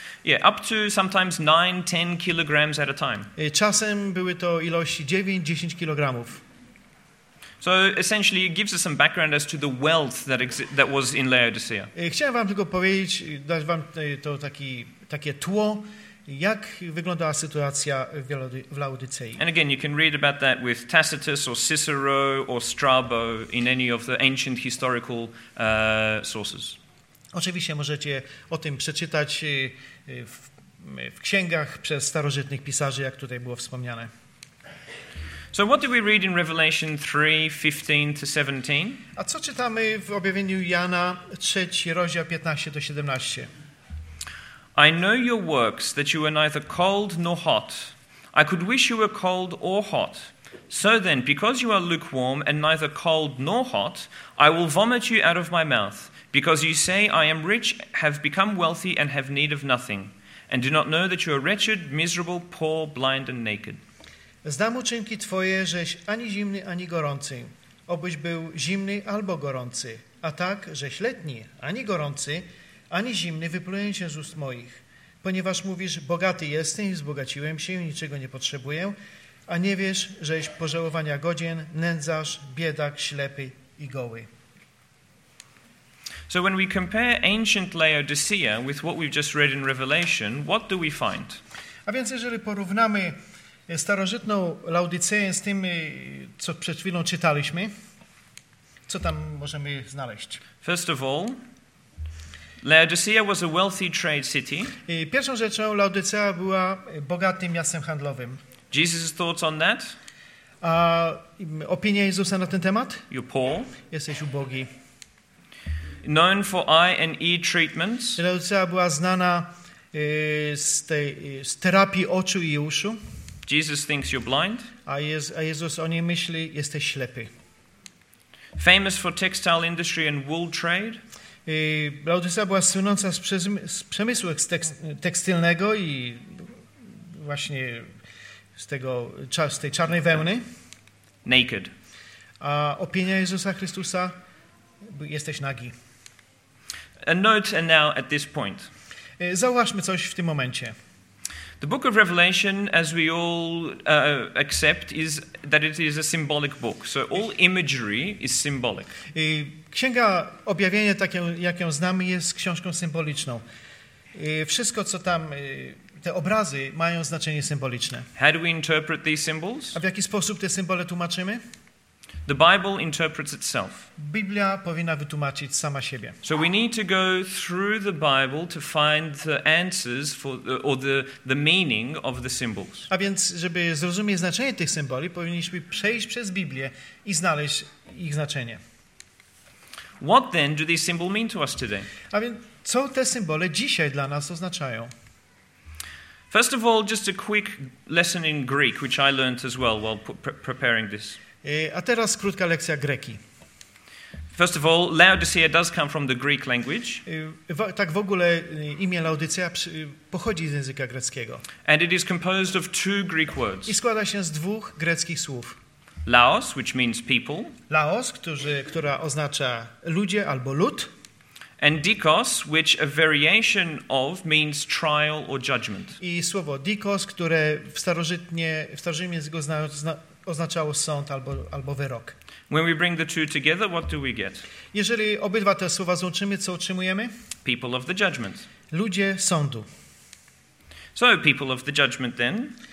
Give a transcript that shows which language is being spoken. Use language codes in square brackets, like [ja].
[en] Yeah, up to sometimes 9-10 kilograms at a time. [pl] Czasem były to ilości 9-10 kilogramów. [en] So essentially it gives us some background as to the wealth that was in Laodicea. [pl] Chciałem wam tylko powiedzieć, dać wam to takie tło, jak wyglądała sytuacja w Laodicei. [en] And again, you can read about that with Tacitus or Cicero or Strabo in any of the ancient historical sources. [pl] Oczywiście możecie o tym przeczytać w księgach przez starożytnych pisarzy, jak tutaj było wspomniane. [en] So what do we read in Revelation 3:15-17? [pl] A co czytamy w objawieniu Jana 3, rozdział 15-17? [en] I know your works, that you are neither cold nor hot. I could wish you were cold or hot. So then, because you are lukewarm and neither cold nor hot, I will vomit you out of my mouth. Because you say, I am rich, have become wealthy, and have need of nothing, and do not know that you are wretched, miserable, poor, blind, and naked. [pl] Znam uczynki twoje, żeś ani zimny, ani gorący. Obyś był zimny albo gorący. A tak, żeś letni, ani gorący, ani zimny, wypluję cię z ust moich. Ponieważ mówisz, bogaty jestem i wzbogaciłem się, niczego nie potrzebuję, a nie wiesz, żeś pożałowania godzien, nędzarz, biedak, ślepy i goły. [en] So when we compare ancient Laodicea with what we've just read in Revelation, what do we find? [pl] A więc jeżeli porównamy starożytną Laodiceę z tym, co przed chwilą czytaliśmy, co tam możemy znaleźć? [en] First of all, Laodicea was a wealthy trade city. [pl] Pierwszą rzeczą, Laodicea była bogatym miastem handlowym. [en] Jesus' thoughts on that? [pl] A opinia Jezusa na ten temat? [en] You're poor. [pl] Jesteś ubogi. [en] Known for eye and ear treatments. [pl] Laodicea była znana z terapii oczu i uszu. [en] Jesus thinks you're blind. [pl] A Jezus o niej myśli, jesteś ślepy. [en] Famous for textile industry and wool trade. [pl] Laodicea była słynąca z przemysłu tekstylnego i właśnie z tej czarnej wełny. [en] Naked. [pl] A opinia Jezusa Chrystusa, jesteś nagi. [en] A note and now at this point. [pl] Zauważmy coś w tym momencie. [en] The book of Revelation, as we all accept, is that it is a symbolic book. So all imagery is symbolic. [pl] Księga Objawienia, tak jak ją znamy, jest książką symboliczną. Wszystko, co tam, te obrazy, mają znaczenie symboliczne. [en] How do we interpret these symbols? [pl] A w jaki sposób te symbole tłumaczymy? [en] The Bible interprets itself. [pl] Biblia powinna wytłumaczyć sama siebie. [en] So we need to go through the Bible to find the answers for the meaning of the symbols. [pl] A więc, żeby zrozumieć znaczenie tych symboli, powinniśmy przejść przez Biblię i znaleźć ich znaczenie. [en] What then do these symbols mean to us today? [pl] A więc, co te symbole dzisiaj dla nas oznaczają? [en] First of all, just a quick lesson in Greek, which I learned as well while preparing this. [pl] A teraz krótka lekcja greki. [en] First of all, Laodicea does come from the Greek language. [pl] Tak w ogóle imię Laodicea pochodzi z języka greckiego. [en] And it is composed of two Greek words. [pl] I składa się z dwóch greckich słów. [en] Laos, which means people. [pl] Laos, która oznacza ludzie albo lud. [en] And dikos, which a variation of means trial or judgment. [pl] I słowo dikos, które w starożytnym języku oznaczało sąd albo wyrok. [en] When we bring the two together, what do we get? [pl] Jeżeli obydwa te słowa złączymy, co otrzymujemy? [en] People of the judgment. [pl] Ludzie sądu. [en] So, people of the judgment then.